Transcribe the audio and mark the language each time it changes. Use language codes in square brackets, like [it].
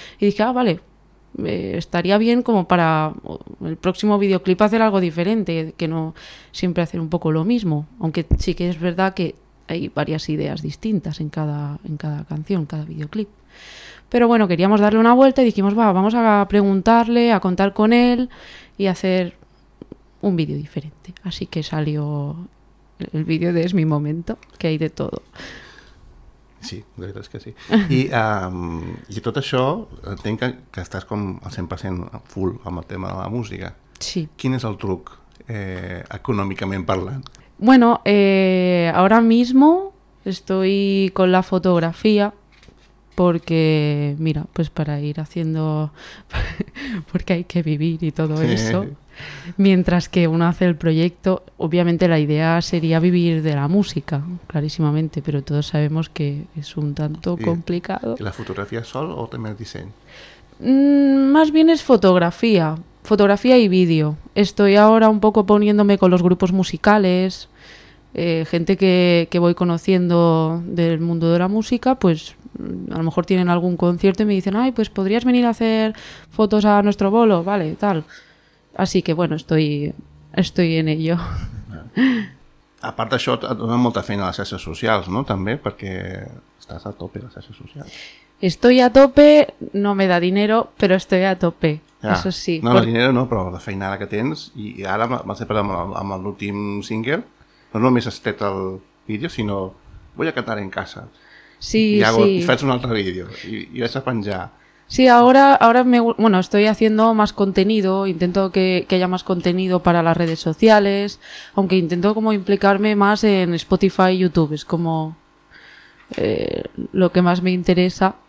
[es] Y dije, ah, vale, estaría bien como para el próximo videoclip hacer algo diferente, que no siempre hacer un poco lo mismo, aunque sí que es verdad que hay varias ideas distintas en cada canción, cada videoclip. Pero bueno, queríamos darle una vuelta y dijimos, va, vamos a preguntarle, a contar con él y hacer un vídeo diferente. Así que salió el vídeo de Es mi momento, que hay de todo. [ca] Sí, de veritat és que sí. I tot això, entenc que estàs com al 100% full amb el tema de la música. Sí. Quin és el truc, econòmicament parlant? [es] Bueno, ahora mismo estoy con la fotografía porque, mira, pues para ir haciendo, porque hay que vivir y todo sí. Eso, mientras que uno hace el proyecto, obviamente la idea sería vivir de la música, clarísimamente, pero todos sabemos que es un tanto complicado. ¿Y la fotografía sol o también el diseño? Más bien es fotografía. Fotografía y vídeo. Estoy ahora un poco poniéndome con los grupos musicales, gente que voy conociendo del mundo de la música, pues a lo mejor tienen algún concierto y me dicen, ay, pues podrías venir a hacer fotos a nuestro bolo, vale, tal. Así que bueno, estoy en ello. [ca] A part d'això, et dona molta feina a les xarxes socials, no? També, perquè estàs a tope a les xarxes socials. [es] Estoy a tope, no me da dinero, pero estoy a tope. Ja. Eso sí. [ca] No, el dinero no, però la feina ara que tens, i ara m'has parlat amb l'últim single, no només has tret el vídeo, sinó, [es] voy a cantar en casa. Sí, y hago, sí. Y haces un otro vídeo y vas a penjar. Sí, ahora, ahora me, bueno, estoy haciendo más contenido, intento que haya más contenido para las redes sociales, aunque intento como implicarme más en Spotify y YouTube, es como lo que más me interesa.